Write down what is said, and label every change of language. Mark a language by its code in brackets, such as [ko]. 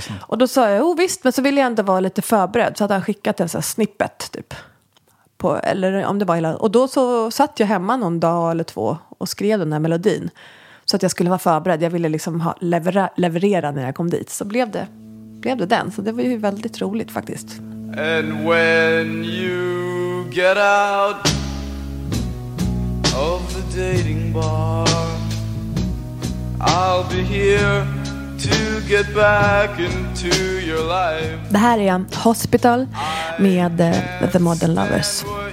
[sv] Och då sa jag, visst, men så ville jag ändå vara lite förberedd, så att han skickat en så här snippet, typ. på, eller om det var hela, och då så satt jag hemma någon dag eller två och skrev den här melodin så att jag skulle vara förberedd. Jag ville liksom ha leverera när jag kom dit, så blev det den. Så det var ju väldigt roligt faktiskt. [en] And when you get out of the dating bar, I'll be here to get back into your life. [sv] Det här är Hospital med The Modern Lovers.